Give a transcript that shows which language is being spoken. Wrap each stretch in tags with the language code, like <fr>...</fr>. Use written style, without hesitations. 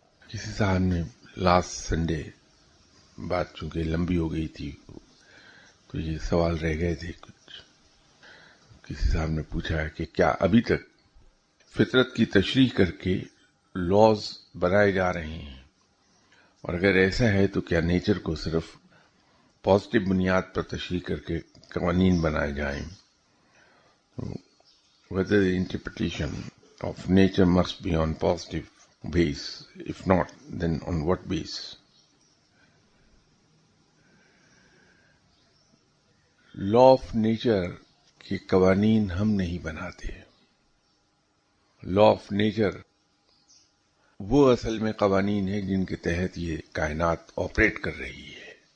<hi>किसी साहब ने लास्ट संडे बात चूंकि लंबी हो गई थी तो ये सवाल रह गए थे कुछ, किसी साहब ने पूछा है कि क्या अभी तक फितरत की तशरीह करके लॉज बनाए जा रहे हैं, और अगर ऐसा है तो क्या नेचर को सिर्फ पॉजिटिव बुनियाद पर तशरीह करके कानून बनाए जाएं।</hi> <en>Whether the interpretation of nature must be on positive base, if not, then on what base?</en> <hi>Law of nature के कवानीन हम नहीं बनाते। Law of nature वो असल में कवानीन है जिनके तहत ये कायनात ऑपरेट कर रही है।</hi>